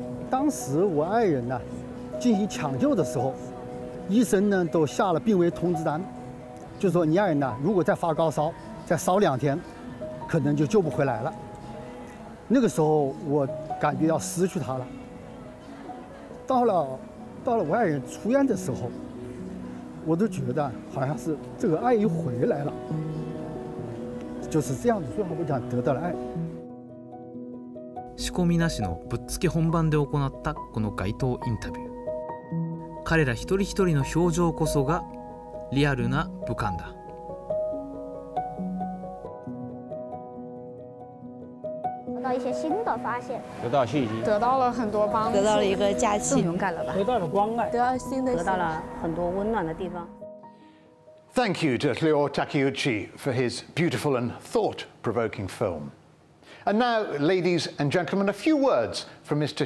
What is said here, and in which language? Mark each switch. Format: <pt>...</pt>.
<zh>当时我爱人呢进行抢救的时候医生呢都下了病危通知单就说你爱人呢如果再发高烧再烧两天可能就救不回来了那个时候我感觉要失去他了到了我爱人出院的时候我都觉得好像是这个爱又回来了就是这样子最后我想得到了爱</zh> <ja>仕込みなしのぶっつけ本番で行ったこの街頭インタビュー彼ら一人一人の表情こそがリアルな武漢だ</ja> <zh>一些新的发现，得到信息，得到了很多帮助，得到了一个假期，更勇敢了吧？得到了关爱，得到新的，得到了很多温暖的地方。</zh> <en>Thank you to Leo Takeuchi for his beautiful and thought-provoking film. And now, ladies and gentlemen, a few words from Mr.</en>